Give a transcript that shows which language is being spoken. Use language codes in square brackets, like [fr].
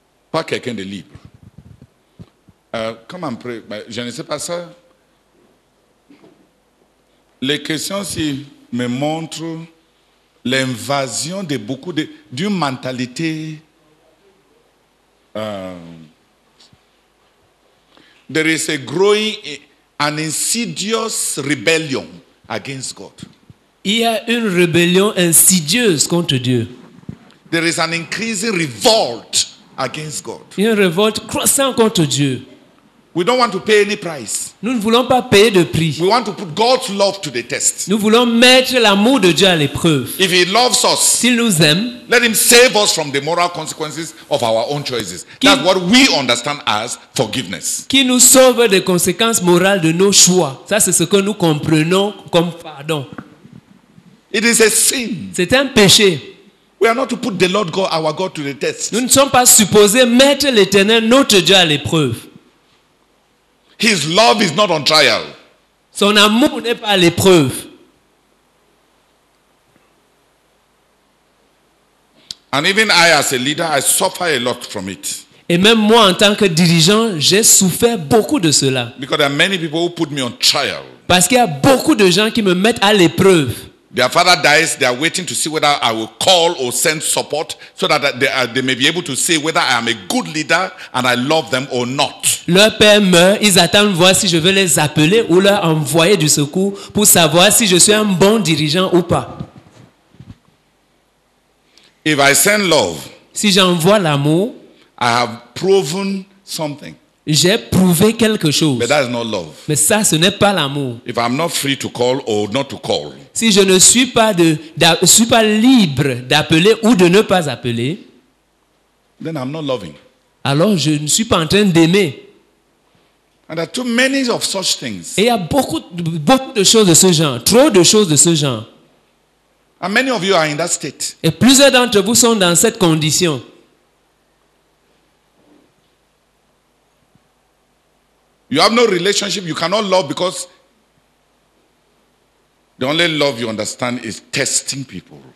[fr] Pas quelqu'un de libre. Comment prie? Je ne sais pas ça. Les questions ici me montrent l'invasion de beaucoup de, d'une mentalité. [en] There is a growing an insidious rebellion against God. [fr] Il y a une rébellion insidieuse contre Dieu. [en] There is an increasing revolt against God. [fr] Une révolte croissante contre Dieu. [en] We don't want to pay any price. [fr] Nous ne voulons pas payer de prix. [en] We want to put God's love to the test. [fr] Nous voulons mettre l'amour de Dieu à l'épreuve. [en] If he loves us, [fr] s'il nous aime, [en] let him save us from the moral consequences of our own choices. That's what we understand as forgiveness. [fr] Qu'il nous sauve des conséquences morales de nos choix. Ça, c'est ce que nous comprenons comme pardon. [en] It is a sin. [fr] C'est un péché. [en] We are not to put the Lord God, our God, to the test. [fr] Nous ne sommes pas supposés mettre l'Éternel, notre Dieu, à l'épreuve. [en] His love is not on trial. [fr] Son amour n'est pas à l'épreuve. [en] And even I, as a leader, I suffer a lot from it. [fr] Et même moi, en tant que dirigeant, j'ai souffert beaucoup de cela. [en] Because there are many people who put me on trial. [fr] Parce qu'il y a beaucoup de gens qui me mettent à l'épreuve. [en] Their father dies, they are waiting to see whether I will call or send support so that they may be able to say whether I am a good leader and I love them or not. [fr] Leur père meurt, ils attendent voir si je vais les appeler ou leur envoyer du secours pour savoir si je suis un bon dirigeant ou pas. [en] If I send love, [fr] si j'envoie l'amour, [en] I have proven something. [fr] J'ai prouvé quelque chose. [en] But that is not love. [fr] Mais ça, ce n'est pas l'amour. [en] If I'm not free to call or not to call, [fr] si je ne suis pas, suis pas libre d'appeler ou de ne pas appeler, [en] then I'm not loving. [fr] Alors je ne suis pas en train d'aimer. [en] And there are too many of such things. [fr] Et il y a beaucoup de choses de ce genre, trop de choses de ce genre. [en] And many of you are in that state. [fr] Et plusieurs d'entre vous sont dans cette condition. [en] You have no relationship, you cannot love because the only love you understand is testing people.